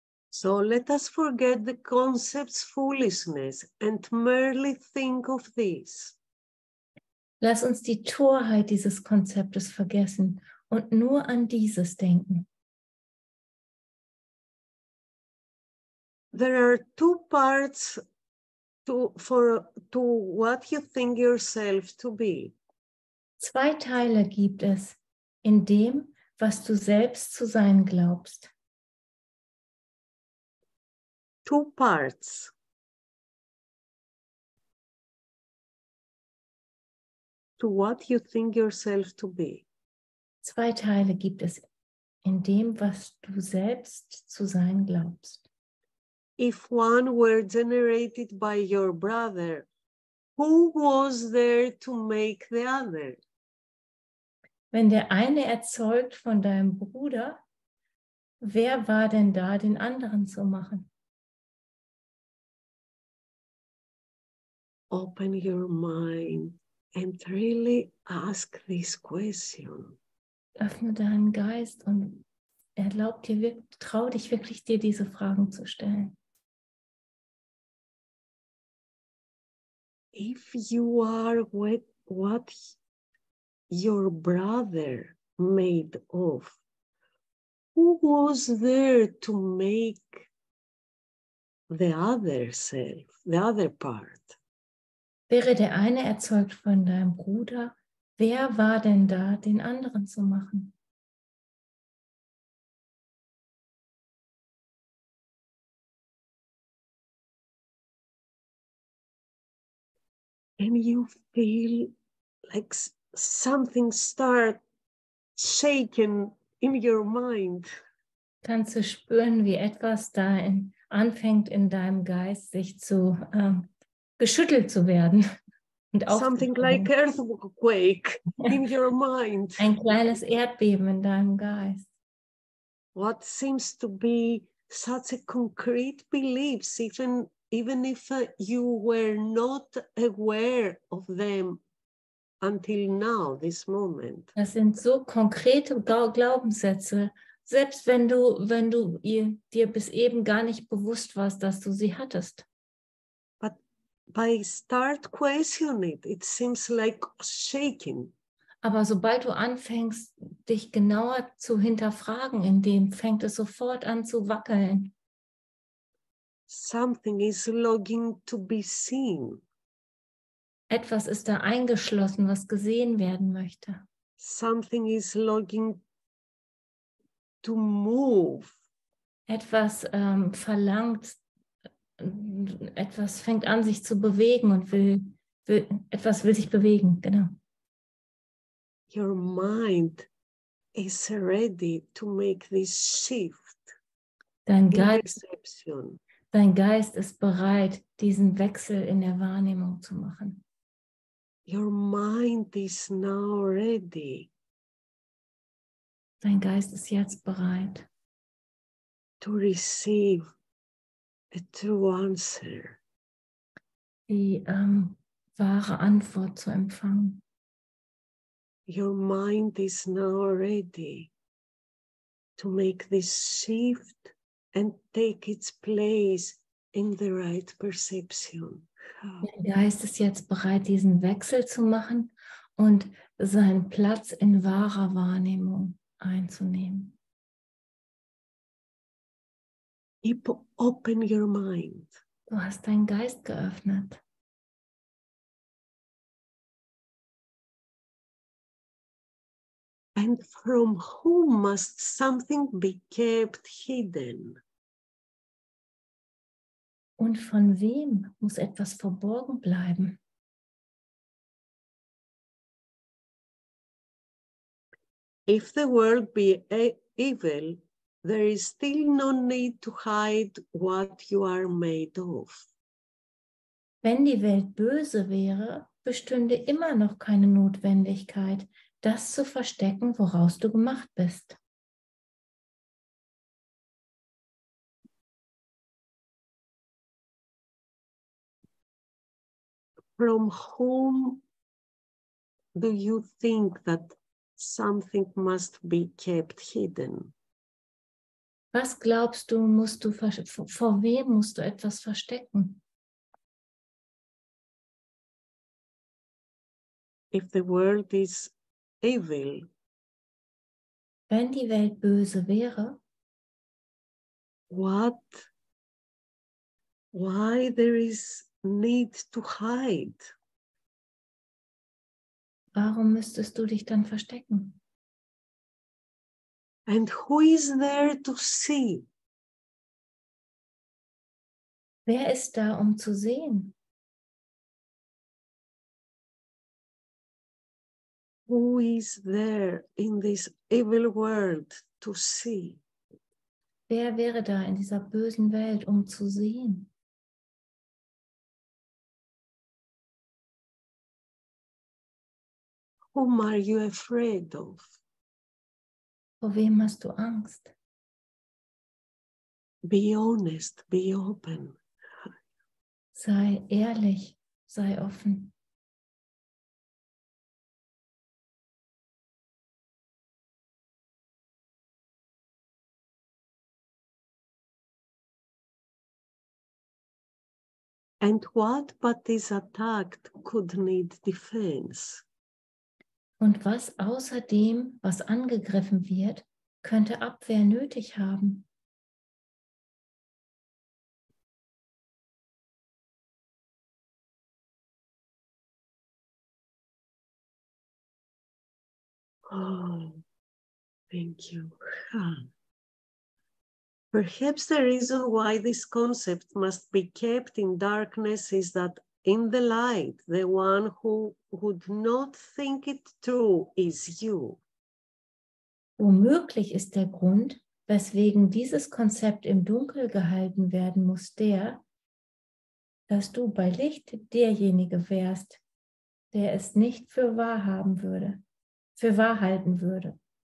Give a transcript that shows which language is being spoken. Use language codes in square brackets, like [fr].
[en] So let us forget the concept's foolishness and merely think of this. [de] Lass uns die Torheit dieses Konzeptes vergessen und nur an dieses denken. [en] There are two parts to what you think yourself to be. [de] Zwei Teile gibt es in dem, was du selbst zu sein glaubst. [en] Two parts. To what you think yourself to be. [de] Zwei Teile gibt es in dem, was du selbst zu sein glaubst. [en] If one were generated by your brother, who was there to make the other? [de] Wenn der eine erzeugt von deinem Bruder, wer war denn da, den anderen zu machen? [en] Open your mind and really ask this question. [de] Öffne deinen Geist und erlaub dir, trau dich wirklich, dir diese Fragen zu stellen. [en] If you are what your brother made of, who was there to make the other self, the other part? [de] Wäre der eine erzeugt von deinem Bruder, wer war denn da, den anderen zu machen? [en] And you feel like something start shaking in your mind. [de] Kannst du spüren, wie etwas da anfängt in deinem Geist sich zu geschüttelt zu werden und [en] something like earthquake in your mind. [de] Ein kleines Erdbeben in deinem Geist. [en] What seems to be such a concrete beliefs, even if you were not aware of them until now, this moment. [de] Das sind so konkrete Glaubenssätze, selbst wenn du dir bis eben gar nicht bewusst warst, dass du sie hattest. [en] By start questioning it, it seems like shaking. [de] Aber sobald du anfängst, dich genauer zu hinterfragen, in dem fängt es sofort an zu wackeln. [en] Something is longing to be seen. [de] Etwas ist da eingeschlossen, was gesehen werden möchte. [en] Something is longing to move. [de] Etwas verlangt. Etwas fängt an, sich zu bewegen und will sich bewegen, genau. [en] Your mind is ready to make this shift. [de] Dein Geist ist bereit, diesen Wechsel in der Wahrnehmung zu machen. [en] Your mind is now ready. [de] Dein Geist ist jetzt bereit. [en] To receive a true answer. [de] Die wahre Antwort zu empfangen. [en] Your mind is now ready to make this shift and take its place in the right perception. [de] Dein Geist ist jetzt bereit, diesen Wechsel zu machen und seinen Platz in wahrer Wahrnehmung einzunehmen. [en] Keep open your mind. [de] Du hast deinen Geist geöffnet. [en] And from whom must something be kept hidden? [de] Und von wem muss etwas verborgen bleiben? [en] If the world be evil, there is still no need to hide what you are made of. [de] Wenn die Welt böse wäre, bestünde immer noch keine Notwendigkeit, das zu verstecken, woraus du gemacht bist. [en] From whom do you think that something must be kept hidden? [de] Was glaubst du, musst du vor wem musst du etwas verstecken? [en] If the world is evil. [de] Wenn die Welt böse wäre, [en] what? Why there is need to hide? [de] Warum müsstest du dich dann verstecken? [en] And who is there to see? [de] Wer ist da, um zu sehen? [en] Who is there in this evil world to see? [de] Wer wäre da in dieser bösen Welt, um zu sehen? [en] Whom are you afraid of? [de] Vor wem hast du Angst? [en] Be honest, be open. [de] Sei ehrlich, sei offen. [en] And what but is attacked could need defense? [de] Und was außer dem, was angegriffen wird, könnte Abwehr nötig haben? [en] Oh, thank you. Perhaps the reason why this concept must be kept in darkness is that in the light, the one who would not think it true is you. [de] Womöglich ist der Grund, weswegen dieses Konzept im Dunkel gehalten werden muss, der, dass du bei Licht derjenige wärst, der es nicht für wahr haben würde, für wahr halten würde.